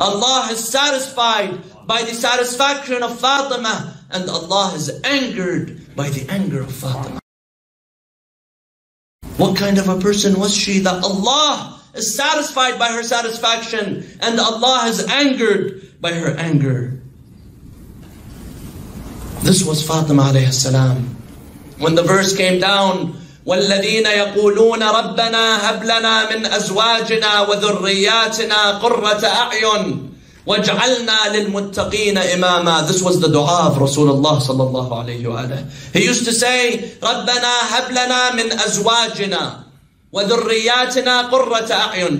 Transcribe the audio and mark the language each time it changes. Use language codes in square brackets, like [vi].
[en] Allah is satisfied by the satisfaction of Fatima, and Allah is angered by the anger of Fatima. What kind of a person was she that Allah is satisfied by her satisfaction and Allah is angered by her anger? This was Fatima alayhi salam. When the verse came down, [ar] وَالَّذِينَ يَقُولُونَ رَبَّنَا هَبْ لَنَا مِنْ أَزْوَاجِنَا وَذُرِّيَّاتِنَا قُرَّةَ أَعْيُنْ وَاجْعَلْنَا لِلْمُتَّقِينَ إِمَامًا. [en] This was the dua of Rasulullah sallallahu alayhi wa alayhi. He used to say, [ar] رَبَّنَا هَبْ لَنَا مِنْ أَزْوَاجِنَا وَذُرِّيَّاتِنَا قُرَّةَ أَعْيُنْ.